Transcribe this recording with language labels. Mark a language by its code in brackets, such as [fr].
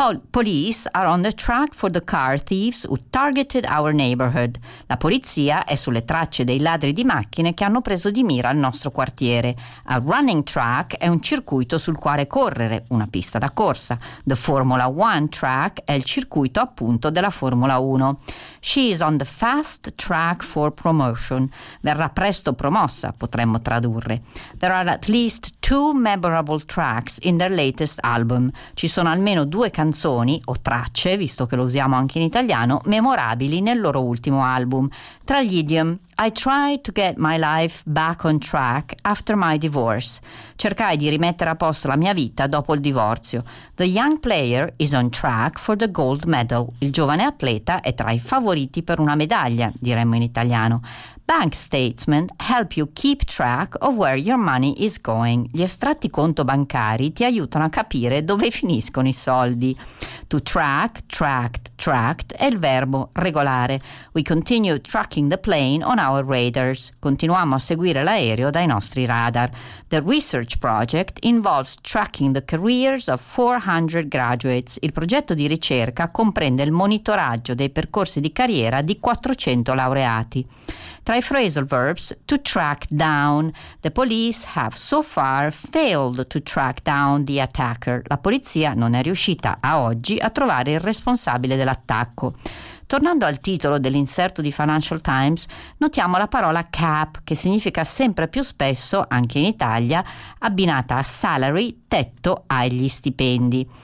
[en] Police are on the track for the car thieves who targeted our neighborhood. [it] La polizia è sulle tracce dei ladri di macchine che hanno preso di mira il nostro quartiere. [en] A running track [it] è un circuito sul quale correre, una pista da corsa. [en] The Formula One track [it] è il circuito appunto della Formula 1. [en] She is on the fast track for promotion. [it] Verrà presto promossa, potremmo tradurre. [en] There are at least two memorable tracks in their latest album. [it] Ci sono almeno due canzoni o tracce, visto che lo usiamo anche in italiano, memorabili nel loro ultimo album. Tra gli [en] idiom, I tried to get my life back on track after my divorce. [it] Cercai di rimettere a posto la mia vita dopo il divorzio. [en] The young player is on track for the gold medal. [it] Il giovane atleta è tra i favoriti per una medaglia, diremmo in italiano. [en] Bank statements help you keep track of where your money is going. [it] Gli estratti conto bancari ti aiutano a capire dove finiscono i soldi. [en] To track, tracked, tracked [it] è il verbo regolare. [en] We continue tracking the plane on our radars. [it] Continuiamo a seguire l'aereo dai nostri radar. [en] The research project involves tracking the careers of 400 graduates. [it] Il progetto di ricerca comprende il monitoraggio dei percorsi di carriera di 400 laureati. Tra i phrasal verbs, [en] to track down. The police have so far failed to track down the attacker. [it] La polizia non è riuscita a oggi a trovare il responsabile dell'attacco. Tornando al titolo dell'inserto di Financial Times, notiamo la parola cap, che significa sempre più spesso, anche in Italia, abbinata a salary, tetto agli stipendi.